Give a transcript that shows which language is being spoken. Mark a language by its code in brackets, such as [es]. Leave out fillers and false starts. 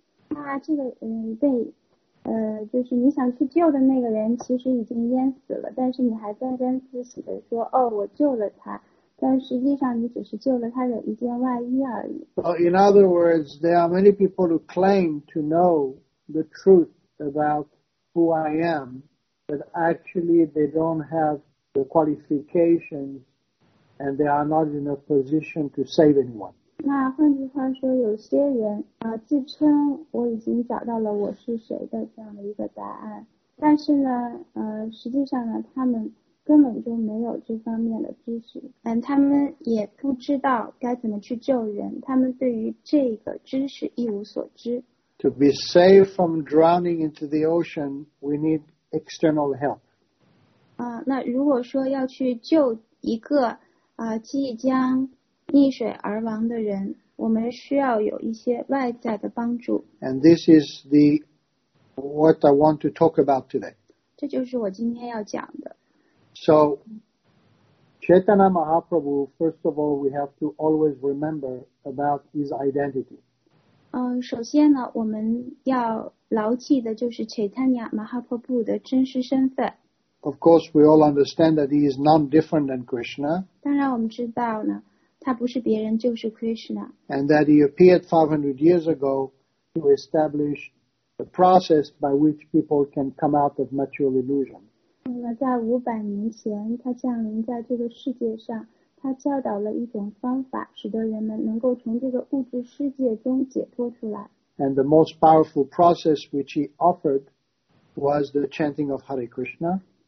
[zh] 那这个被就是你想去救的那个人其实已经淹死了，但是你还沾沾自喜的说，哦，我救了他，但实际上你只是救了他的一件外衣而已。 [en] So in other words, there are many people who claim to know the truth about who I am. But actually, they don't have the qualifications, and they are not in a position to save anyone. [zh] 那换句话说，有些人自称我已经找到了我是谁的这样的一个答案，但是呢，实际上呢，他们根本就没有这方面的知识，嗯，他们也不知道该怎么去救人，他们对于这个知识一无所知。 [en] To be saved from drowning into the ocean, we need. External help. [zh] 那如果说要去救一个即将溺水而亡的人，我们需要有一些外在的帮助。 [en] And this is the what I want to talk about today. [zh] 这就是我今天要讲的。 [en] So, Chaitanya Mahaprabhu, first of all, we have to always remember about his identity. [zh] 首先呢，我们要牢记的就是 Chaitanya Mahaprabhu 的真实身份。 [en] Of course, we all understand that he is none different than Krishna. [zh] 当然我们知道呢，他不是别人，就是 Krishna. [en] And that he appeared 500 years ago to establish the process by which people can come out of material illusion. [zh] 在500年前，他降临在这个世界上。他教导了一种方法，使得人们能够从这个物质世界中解脱出来。 [en] And the most powerful process which he offered was the chanting of Hare Krishna.